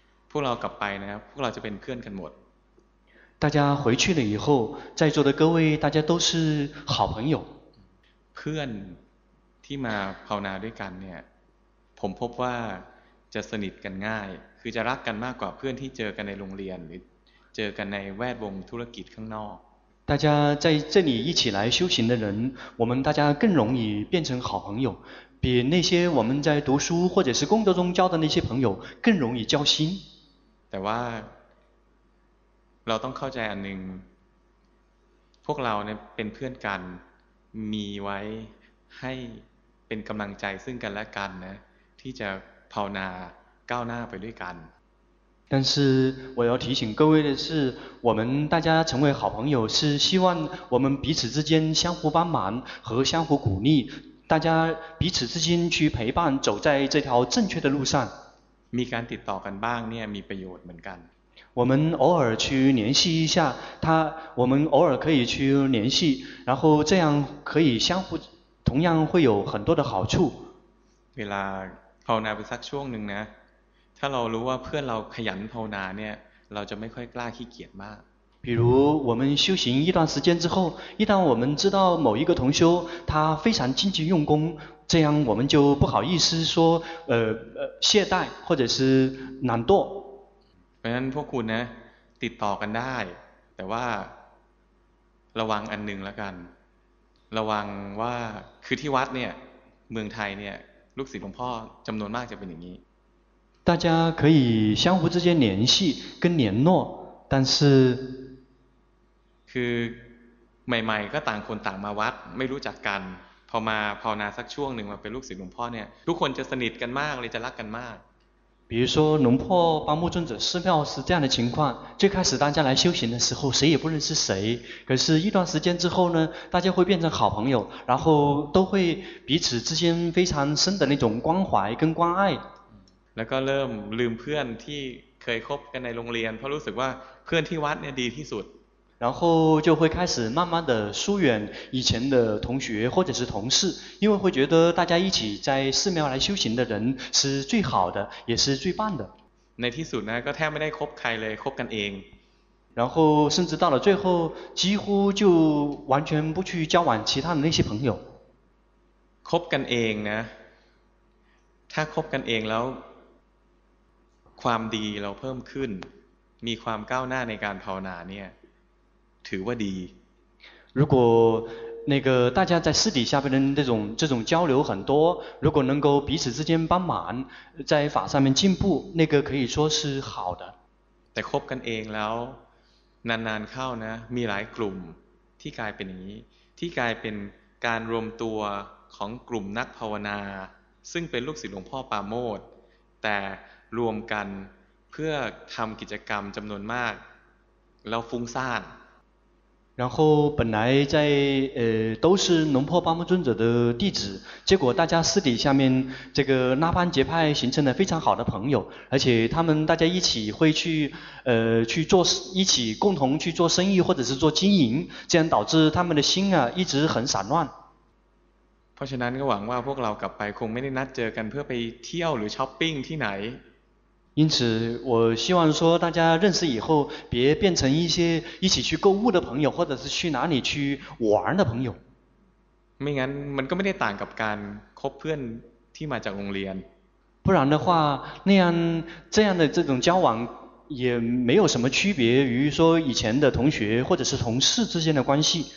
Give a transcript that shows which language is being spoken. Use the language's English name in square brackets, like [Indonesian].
[Thai] พวกเรากลับไปนะพวกเราจะเป็นเพื่อนกันหมด。 [Chinese] 大家回去了以后，在座的各位大家都是好朋友。 [Thai] เพื่อนที่มาภาวนาด้วยกันเนี่ยผมพบว่าจะสนิทกันง่ายคือจะรักกันมากกว่าเพื่อนที่เจอกันในโรงเรียนหรือเจอกันในแวดวงธุรกิจข้างนอก [Chinese] 大家在这里一起来修行的人，我们大家更容易变成好朋友，比那些我们在读书或者是工作中交的那些朋友更容易交心。 [Thai] แต่ว่าเราต้องเข้าใจอันหนึ่งพวกเราเนี่ยเป็นเพื่อนกันมีไว้ให้เป็นกำลังใจซึ่งกันและกันนะที่จะภาวนาก้าวหน้าไปด้วยกัน [Chinese] 但是我要提醒各位的是，我们大家成为好朋友是希望我们彼此之间相互帮忙和相互鼓励，大家彼此之间去陪伴走在这条正确的路上。 [Thai] มีการติดต่อกันบ้างเนี่ยมีประโยชน์เหมือนกัน [Chinese] 我们偶尔去联系一下他，我们偶尔可以去联系，然后这样可以相互，同样会有很多的好处。 [Thai] เวลาภาวนาไปสักช่วงหนึ่งนะถ้าเรารู้ว่าเพื่อนเราขยันภาวนาเนี่ยเราจะไม่ค่อยกล้าขี้เกียจมาก [Chinese] 比如我们修行一段时间之后，一旦我们知道某一个同修他非常积极用功，这样我们就不好意思说懈怠或者是懒惰。 [Thai] เพราะฉะนั้นพวกคุณนะติดต่อกันได้แต่ว่าระวังอันนึงละกันระวังว่าคือที่วัดเนี่ยเมืองไทยเนี่ยลูกศิษย์หลวงพ่อจำนวนมากจะเป็นอย่างนี้ [Chinese] 大家可以相互之间联系跟联络但是 [Thai] คือใหม่ๆก็ต่างคนต่างมาวัดไม่รู้จักกันพอมาภาวนาสักช่วงหนึ่งมาเป็นลูกศิษย์หลวงพ่อเนี่ยทุกคนจะสนิทกันมากเลยจะรักกันมาก [Chinese] 比如说龙破八木尊者寺庙是这样的情况，最开始大家来修行的时候谁也不认识谁，可是一段时间之后呢，大家会变成好朋友，然后都会彼此之间非常深的那种关怀跟关爱。 [Thai] แล้วก็เริ่มลืมเพื่อนที่เคยคบกันในโรงเรียนเพราะรู้สึกว่าเพื่อนที่วัดเนี่ยดีที่สุด。 [Chinese] 然后就会开始慢慢的疏远以前的同学或者是同事，因为会觉得大家一起在寺庙来修行的人是最好的，也是最棒的。 [Thai] ในที่สุดนะก็แทบไม่ได้คบใครเลยคบกันเอง。 [Chinese] 然后甚至到了最后，几乎就完全不去交往其他的那些朋友。 [Thai] คบกันเองนะถ้าคบกันเองแล้วความดีเราเพิ่มขึ้นมีความก้าวหน้าในการภาวนาเนี่ยถือว่าดี [Chinese] 如果那个大家在私底下边的这种交流很多，如果能够彼此之间帮忙，在法上面进步，那个可以说是好的。 [Thai] แต่คบกันเองแล้วนานๆเข้านะมีหลายกลุ่มที่กลายเป็นอย่างนี้ที่กลายเป็นการรวมตัวของกลุ่มนักภาวนาซึ่งเป็นลูกศิษย์หลวงพ่อปาโมทย์แต่รวมกันเพื่อทำกิจกรรมจำนวนมากแล้วฟุ้งซ่าน [Chinese] 然后本来在都是龙破八木尊者的弟子，结果大家私底下面这个那班结派形成了非常好的朋友，而且他们大家一起会去做，一起共同去做生意或者是做经营，这样导致他们的心啊一直很散乱。 [Thai] เพราะฉะนั้นก็หวังว่าพวกเรากลับไปคงไม่ได้นัดเจอกันเพื่อไปเที่ยวหรือช้อปปิ้งที่ไหน [Chinese] 因此我希望说大家认识以后别变成一些一起去购物的朋友或者是去哪里去玩的朋友 [Thai] ไม่งั้นมันก็ไม่ได้ต่างกับการคบเพื่อนที่มาจากโรงเรียน [Chinese] 不然的话那样这样的这种交往也没有什么区别于说以前的同学或者是同事之间的关系